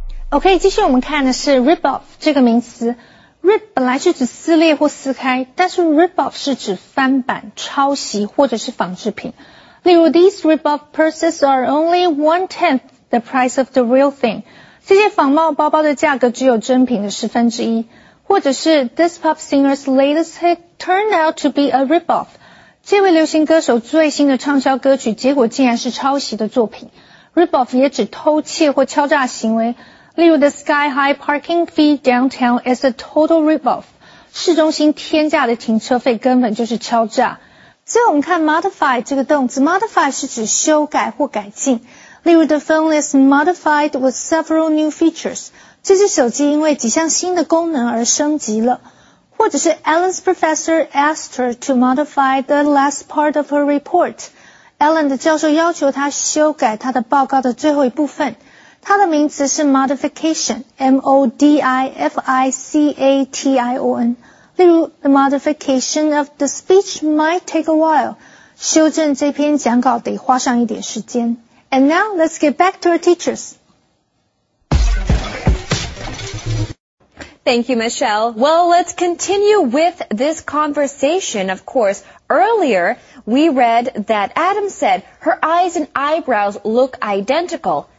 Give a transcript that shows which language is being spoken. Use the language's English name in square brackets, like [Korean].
[Chinese] Okay, 继续我们看的是 rip off 这个名词。Rip 本来是指撕裂或撕开, 但是 rip off 是指翻版, 抄袭, 或者是仿制品。例如, [English] these rip off purses are only 1/10 the price of the real thing. [Chinese] 这些仿冒包包的价格只有真品的十分之一。或者是, [English] this pop singer's latest hit turned out to be a rip off. [Chinese] 这位流行歌手最新的畅销歌曲, 结果竟然是抄袭的作品。 [English] Rip off [Chinese] 也指偷窃或敲诈行为。例如, [English] the sky-high parking fee downtown is a total rip-off. [Chinese] 市中心天价的停车费根本就是敲诈。最后我们看modify 这个动词, modify是指修改或改进。例如, [English] the phone is modified with several new features. [Chinese] 这只手机因为几项新的功能而升级了。或者是 [English] Ellen's professor asked her to modify the last part of her report. [Chinese] Ellen 的教授要求她修改她的报告的最后一部分。它的名词是 modification, M-O-D-I-F-I-C-A-T-I-O-N. 例如 [English] the modification of the speech might take a while. [Chinese] 修正这篇讲稿得花上一点时间。 [English] And now, let's get back to our teachers. Thank you, Michelle. Well, let's continue with this conversation. Of course, earlier, we read that Adam said her eyes and eyebrows look identical.